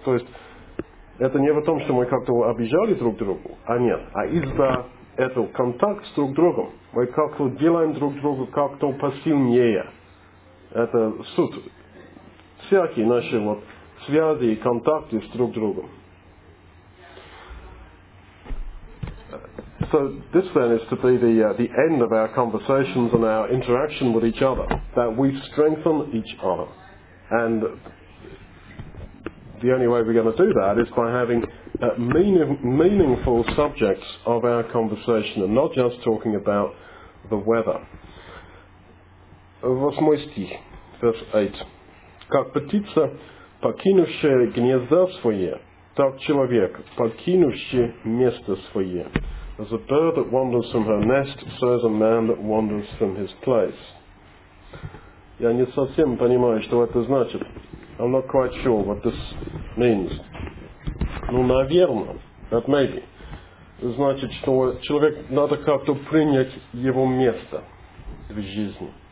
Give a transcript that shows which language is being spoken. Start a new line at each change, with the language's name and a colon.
Russian: То есть это не в том, что мы как-то обижали друг друга, а нет. А из-за этого контакта с друг другом мы как-то делаем друг друга как-то посильнее. Это суть всякие наши вот связи и контакты с друг другом.
English: So this then is to be the end of our conversations and our interaction with each other, that we strengthen each other. And the only way we're going to do that is by having meaningful subjects of our conversation and not just talking about the weather.
Russian: Восьмой стих,
English: verse 8.
Russian: Как птица, покинувшая гнезда свое, так человек, покинувший место свое.
English: As a bird that wanders from her nest, so is a man that wanders from his place.
Russian: Я не совсем понимаю, что это значит.
English: I'm not quite sure what this means.
Russian: Ну, наверное,
English: that maybe.
Russian: Значит, что человек надо как-то принять его место в жизни.